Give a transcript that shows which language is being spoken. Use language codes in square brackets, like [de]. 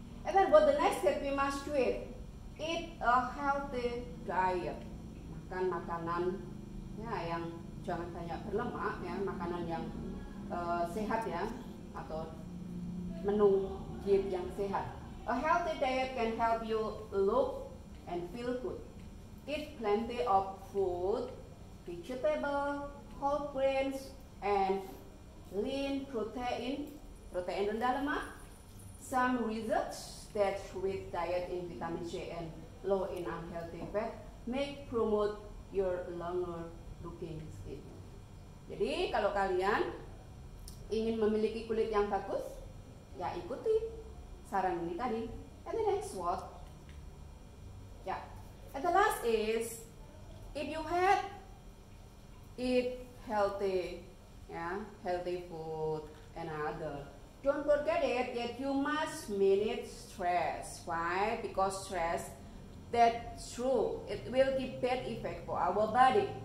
[en] And then what the next step we must do it? Eat a healthy diet. [id] Makan makanan, ya, yang jangan banyak berlemak, ya, makanan yang sehat, ya, atau menu diet yang sehat. [en] A healthy diet can help you look and feel good. Eat plenty of food, vegetable, whole grains, and lean protein, [id] protein rendah lemak. [en] Some research that with diet in vitamin C and low in unhealthy fat may promote your longer looking skin. [id] Jadi kalau kalian ingin memiliki kulit yang bagus, ya ikuti saran ini tadi. [en] And the next what? Yeah. And the last is, if you had eat healthy, yeah, healthy food and other. Don't forget it that you must manage stress. Why? Because stress, that's true. It will give bad effect for our body.